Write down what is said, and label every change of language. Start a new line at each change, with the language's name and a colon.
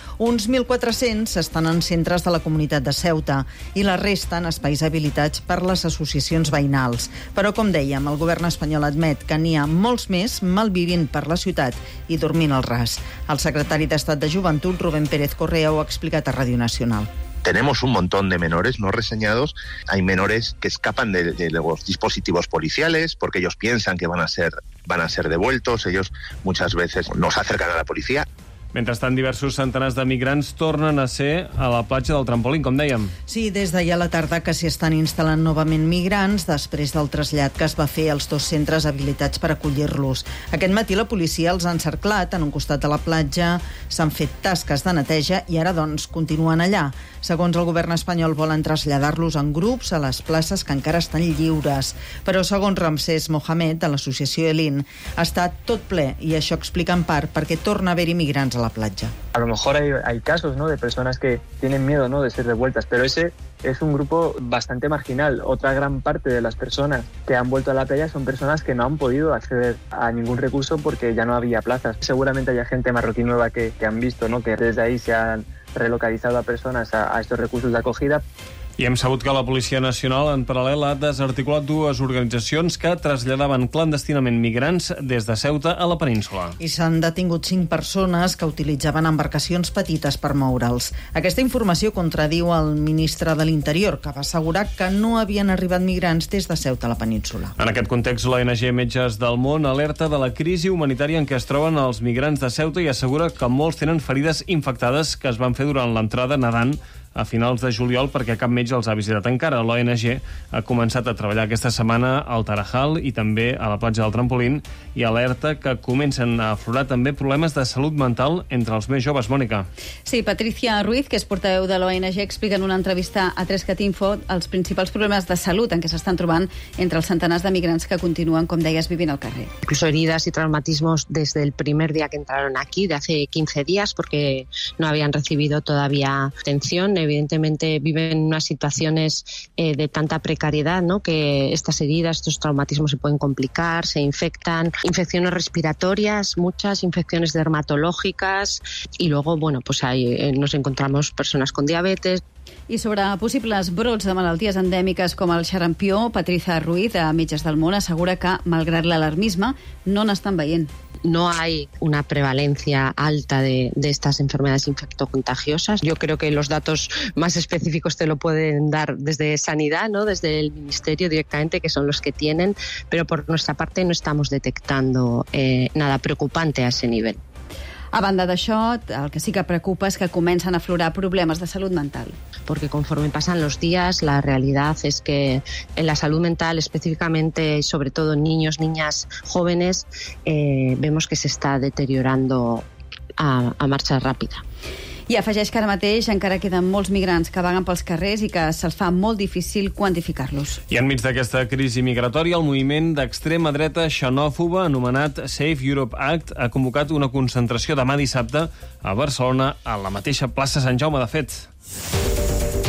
Catalan: Uns 1.400 estan en centres de la comunitat de Ceuta i la resta en espais habilitats per les associacions veïnals. Però, com dèiem, el govern espanyol admet que n'hi ha molts més malvivint per la ciutat i dormint al ras. El secretari d'Estat de Joventut, Rubén Pérez Correa, ho ha explicat a Ràdio Nacional.
Spanish: Tenemos un montón de menores no reseñados. Hay menores que escapan de los dispositivos policiales porque ellos piensan que van a ser devueltos. Ellos muchas veces nos acercan a la policía.
Catalan: Mentrestant, diversos centenars de migrants tornen a ser a la platja del Trampolín, com dèiem. Sí, des d'ahir a la tarda que s'hi estan instal·lant novament migrants després del trasllat que es va fer als dos centres habilitats per acollir-los. Aquest matí la policia els ha encerclat en un costat de la platja, s'han fet tasques de neteja i ara, doncs, continuen allà. Segons el govern espanyol, volen traslladar-los en grups a les places que encara estan lliures. Però, segons Ramsés Mohamed, de l'associació ELIN, està tot ple, i això explica en part perquè torna a haver-hi migrants a la platja.
Spanish: A lo mejor hay casos, ¿no?, de personas que tienen miedo, ¿no?, de ser devueltas, pero ese es un grupo bastante marginal. Otra gran parte de las personas que han vuelto a la playa son personas que no han podido acceder a ningún recurso porque ya no había plazas. Seguramente haya gente marroquí nueva que han visto, ¿no?, que desde ahí se han relocalizado a personas a estos recursos de acogida.
Catalan: I hem sabut que la Policia Nacional, en paral·lel, ha desarticulat dues organitzacions que traslladaven clandestinament migrants des de Ceuta a la península. I s'han detingut 5 persones que utilitzaven embarcacions petites per moure'ls. Aquesta informació contradiu el ministre de l'Interior, que va assegurar que no havien arribat migrants des de Ceuta a la península. En aquest context, l'ONG Metges del Món alerta de la crisi humanitària en què es troben els migrants de Ceuta i assegura que molts tenen ferides infectades que es van fer durant l'entrada nedant a finals de juliol perquè cap metge els ha visitat encara. L'ONG ha començat a treballar aquesta setmana al Tarajal i també a la platja del Trampolín i alerta que comencen a aflorar també problemes de salut mental entre els més joves, Mònica. Sí, Patricia Ruiz, que és portaveu de l'ONG, explica en una entrevista a 3cat Info els principals problemes de salut en què s'estan trobant entre els centenars de migrants que continuen, com deies, vivint al carrer.
Spanish: Incluso heridas y traumatismos desde el primer día que entraron aquí, de hace 15 días, porque no habían recibido todavía atención. Evidentemente viven unas situaciones de tanta precariedad, ¿no?, que estas heridas, estos traumatismos se pueden complicar, se infectan. Infecciones respiratorias, muchas, infecciones dermatológicas. Y luego, bueno, pues ahí nos encontramos personas con diabetes.
Catalan: I sobre possibles brots de malalties endèmiques com el xarampió, Patricia Ruiz, de Metges del Món, assegura que, malgrat l'alarmisme, no n'estan veient.
Spanish: No hay una prevalencia alta de estas enfermedades infectocontagiosas. Yo creo que los datos más específicos te lo pueden dar desde Sanidad, ¿no?, desde el Ministerio directamente, que son los que tienen, pero por nuestra parte no estamos detectando nada preocupante a ese nivel.
Catalan: A banda d'això, el que sí que preocupa és que comencen a aflorar problemes de salut mental.
Spanish: Porque conforme pasan los días, la realidad es que en la salud mental, específicamente, sobre todo en niños, niñas, jóvenes, vemos que se está deteriorando a marcha rápida.
Catalan: I afegeix que ara mateix encara queden molts migrants que vaguen pels carrers i que se'ls fa molt difícil quantificar-los. I enmig d'aquesta crisi migratòria, el moviment d'extrema dreta xenòfoba, anomenat Save Europe Act, ha convocat una concentració demà dissabte a Barcelona, a la mateixa plaça Sant Jaume, de fet.